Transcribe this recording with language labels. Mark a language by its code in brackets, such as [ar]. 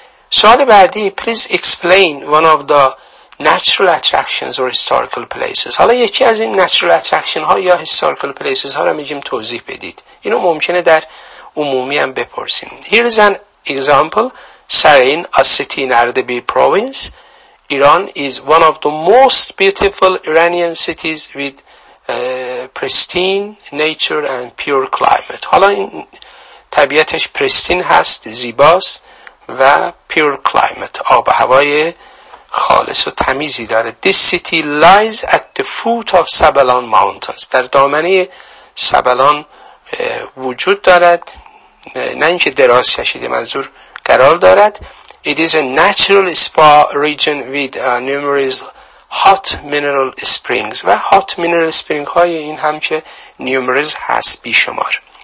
[fa] سوال بعدی, [en] please explain one of the natural attractions or historical places. [fa] حالا یکی از این natural attraction ها یا historical places ها را میگیم توضیح بدید. اینو ممکنه در عمومی هم بپرسیم. [en] Here is an example. Sarin, a city in Ardabil province. Iran is one of the most beautiful Iranian cities with pristine nature and pure climate. [fa] حالا این طبیعتش pristine هست, زیباست و pure climate. آب و هوای خالص و تمیزی داره. [en] This city lies at the foot of Sabalan Mountains. [fa] در دامنه سبلان وجود دارد. نه اینکه دراز کشیده, منظور قرار دارد. [en] It is a natural spa region with numerous hot mineral springs. [fa] و hot mineral spring های این هم که numerous هست, بیشمار.